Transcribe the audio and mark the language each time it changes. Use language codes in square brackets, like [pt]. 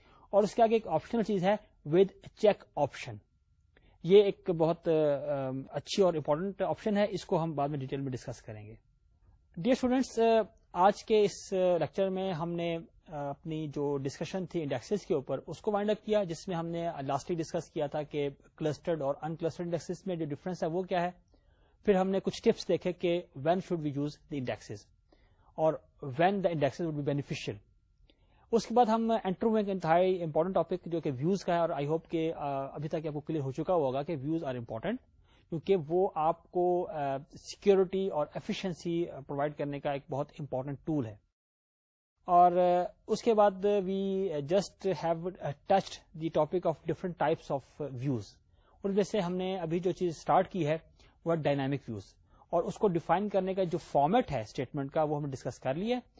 [ur] اور اس کے آگے ایک آپشنل چیز ہے ود چیک آپشن, یہ ایک بہت اچھی اور امپورٹنٹ آپشن ہے, اس کو ہم بعد میں ڈیٹیل میں ڈسکس کریں گے. ڈیئر اسٹوڈینٹس, آج کے اس لیکچر میں ہم نے اپنی جو ڈسکشن تھی انڈیکسز کے اوپر اس کو وائنڈ اپ کیا, جس میں ہم نے لاسٹلی ڈسکس کیا تھا کہ کلسٹرڈ اور ان کلسٹرڈ انڈیکسز میں جو ڈفرنس ہے وہ کیا ہے. پھر ہم نے کچھ ٹپس دیکھے کہ [en] When should we use the indexes اور when the indexes would be beneficial. [ur] اس کے بعد ہم انٹر ہوئے انتہائی امپورٹنٹ ٹاپک جو کہ ویوز کا ہے, اور آئی ہوپ کہ ابھی تک آپ کو کلیئر ہو چکا ہوگا کہ [en] views are important, [ur] کیونکہ وہ آپ کو سیکیورٹی اور ایفیشنسی پرووائڈ کرنے کا ایک بہت امپورٹنٹ ٹول ہے. اور اس کے بعد [en] we just have touched the topic of different types of views, [ur] ان میں سے ہم نے ابھی جو چیز اسٹارٹ کی ہے وہ ڈائنامک ویوز, اور اس کو ڈیفائن کرنے کا جو فارمیٹ ہے اسٹیٹمنٹ کا وہ ہم نے ڈسکس کر لیا.